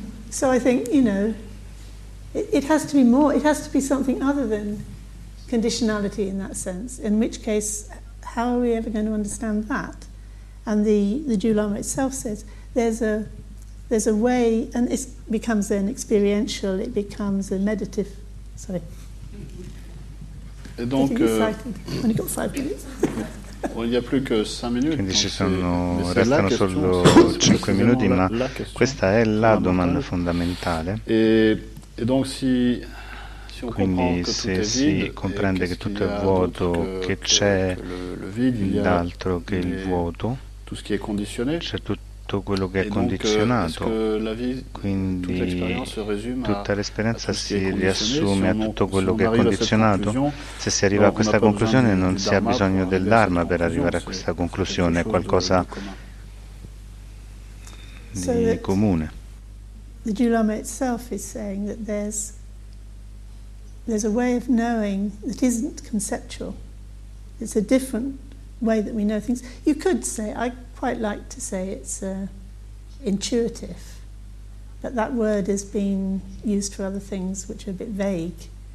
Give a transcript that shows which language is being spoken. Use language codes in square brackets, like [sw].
[en] So I think, you know, it has to be more, it has to be something other than conditionality in that sense, in which case, how are we ever going to understand that? And the Dalai Lama itself says, there's a way, and it becomes an experiential, it becomes a meditative, sorry. [fr] Et donc, [it] quindi ci sono, restano solo 5 minuti, ma questa è la domanda fondamentale. Quindi se si comprende che tutto è vuoto, che c'è d'altro che il vuoto, c'è tutto quello che è condizionato, quindi tutta l'esperienza si riassume a tutto quello che è condizionato. Se si arriva a questa conclusione non si ha bisogno del Dharma per arrivare a questa conclusione, è qualcosa di comune. [en] The Dalai itself is saying that there's a way of knowing that isn't conceptual. It's a different way that we know things. You could say, I quite like to say it's intuitive, but that word has been used for other things which are a bit vague.